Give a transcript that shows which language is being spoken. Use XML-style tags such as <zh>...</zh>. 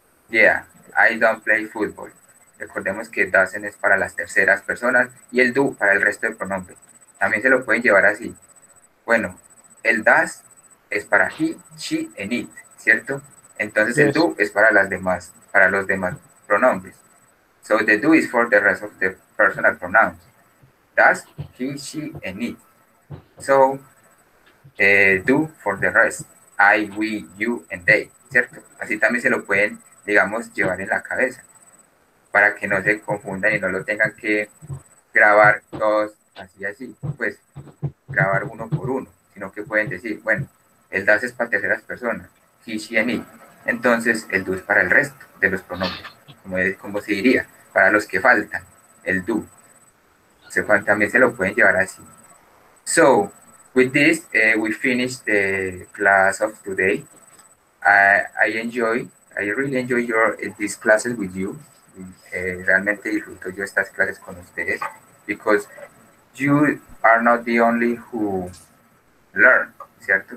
<en>Yeah, I don't play football.</en> <es>Recordemos que doesn't es para las terceras personas y el do para el resto del pronombre. También se lo pueden llevar así. Bueno, el does es para</es> <en>he, she, and it,</en> <es>¿cierto? Entonces el do es para las demás, para los demás pronombres.</es> <en>So the do is for the rest of the personal pronouns. Does, he, she, and it. So, do for the rest. I, we, you, and they,</en> <es>¿cierto? Así también se lo pueden, digamos, llevar en la cabeza. Para que no se confundan y no lo tengan que grabar todos así, así, pues, grabar uno por uno, sino que pueden decir, bueno, el das es para terceras personas,</es> <en>he, she, and it,</en> <es>entonces el do es para el resto de los pronombres, como, es, como se diría, para los que faltan, el do. Se, también se lo pueden llevar así.</es> <en>So, with this, we finish the class of today. I enjoy, I really enjoy your these classes with you.</en> <es>Realmente disfruto yo estas clases con ustedes,</es> <en>because You are not the only who learn,</en> <es>¿cierto?</es>